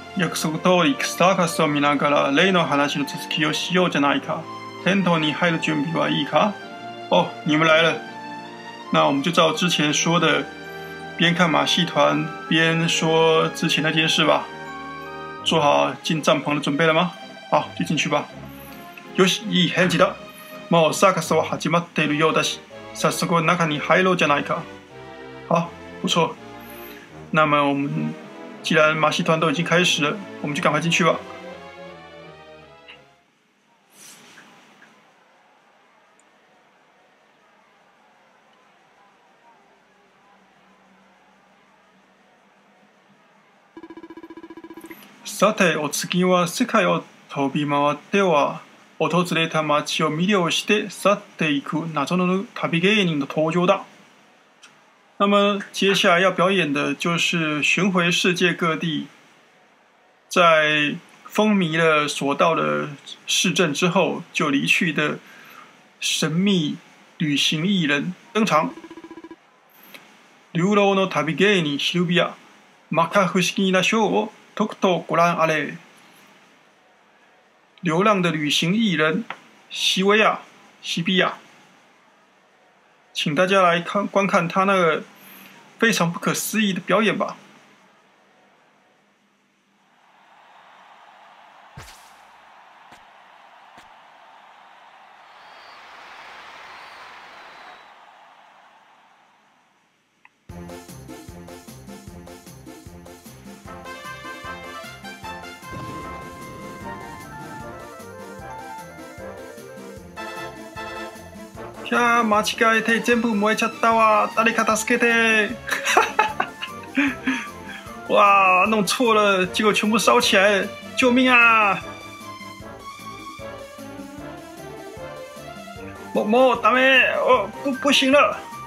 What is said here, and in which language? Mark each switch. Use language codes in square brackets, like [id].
[ja] 約束通りサーカスを見ながら例の話の続きをしようじゃないか。テントに入る準備はいいか。 [zh] 哦，你们来了。那我们就照之前说的，边看马戏团边说之前那件事吧。做好进帐篷的准备了吗？好，就进去吧。よし、いい返事だ。 [ja] もうサーカスは始まっているようだし、早速中に入ろうじゃないか。 [zh] 好，不错。那么我们。既然马戏团都已经开始了，我们就赶快进去吧。 [ja] さて、お次は世界を飛び回っては、訪れた町を魅了して去っていく謎の旅芸人の登場だ。 [zh] 那么接下来要表演的就是巡回世界各地，在风靡了所到的市镇之后就离去的神秘旅行艺人登场。 [ja] 流浪の旅芸人シルビア、摩訶不思議なショーをとくとご覧あれ。 [zh] 流浪的旅行艺人西维亚，西比亚。请大家来看观看他那个非常不可思议的表演吧。 [ja] 呀，間違えて全部燃えちゃったわ。誰か助けて。 [zh] 哇，弄错了，结果全部烧起来，救命啊！某大妹，哦，不行了。